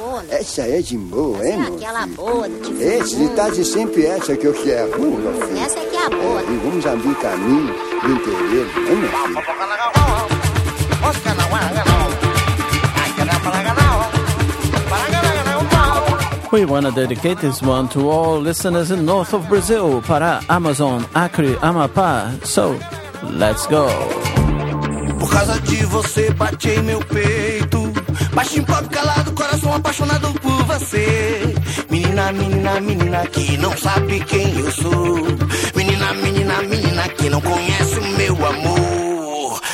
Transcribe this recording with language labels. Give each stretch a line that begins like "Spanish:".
Portuguese: Essa é de boa, hein, meu filho? Essa é aquela boa. Esse tá de sempre essa que eu quero, meu filho. Essa é que é a boa. E vamos abrir caminho no interior, hein, meu filho?
English: We want to dedicate this one to all listeners in north of Brazil, Pará, Amazon, Acre, Amapá. So, let's go.
Portuguese: Por causa de você, bati em meu peito. Baixinho, pobre, calado, coração apaixonado por você. Menina, menina, menina, que não sabe quem eu sou. Menina, menina, menina, que não conhece o meu amor.